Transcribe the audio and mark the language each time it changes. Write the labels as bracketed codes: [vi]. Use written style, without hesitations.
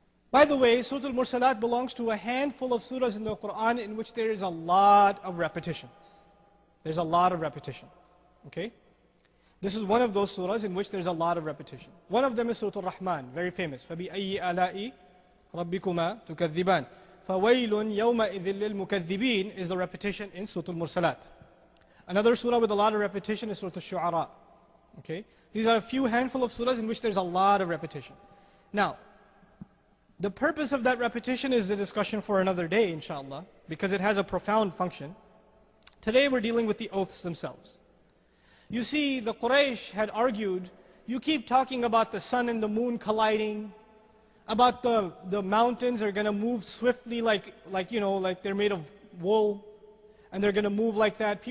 [en] By the way, Surah Al-Mursalat belongs to a handful of surahs in the Quran in which there is a lot of repetition. There's a lot of repetition. Okay? This is one of those surahs in which there's a lot of repetition. One of them is Surah Al-Rahman, very famous. [ar] فَبِأَيِّ أَلَاءِ رَبِّكُمَا تُكَذِّبَانِ فَوَيْلٌ يَوْمَئِذٍ لِلْمُكَذِّبِينَ [en] is the repetition in Surah Al-Mursalat. Another surah with a lot of repetition is Surah Al-Shu'ara. Okay? These are a few handful of surahs in which there's a lot of repetition. Now, the purpose of that repetition is the discussion for another day, inshallah, because it has a profound function. Today we're dealing with the oaths themselves. You see, the Quraysh had argued, you keep talking about the sun and the moon colliding, about the mountains are going to move swiftly like they're made of wool, and they're going to move like that.